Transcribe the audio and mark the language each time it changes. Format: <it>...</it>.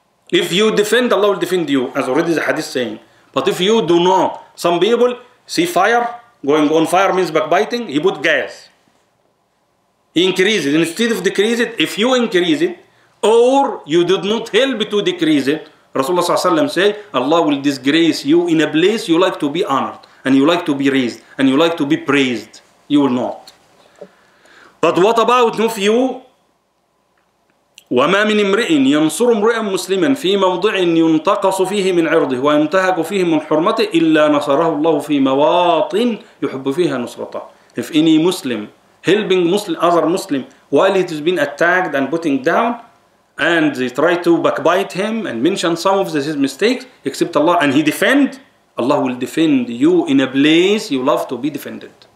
<en>If you defend, Allah will defend you, as already the hadith saying. But if you do not, some people see fire, going on fire means backbiting, he put gas. He increases it. Instead of decreasing it, if you increase it, or you did not help to decrease it, Rasulullah SAW say, Allah will disgrace you in a place you like to be honored, and you like to be raised, and you like to be praised. You will not. But what about if you</en> <ar>وما من امرئ ينصر امرئا مسلما في موضع ينتقص فيه من عرضه وينتهك فيه من حرمته الا نصره الله في مواطن يحب فيها نصرته.</ar> <en>If any Muslim helping Muslim other Muslim while it has been attacked and putting down and they try to backbite him and mention some of his mistakes except Allah and he defend, Allah will defend you in a place you love to be defended.</en>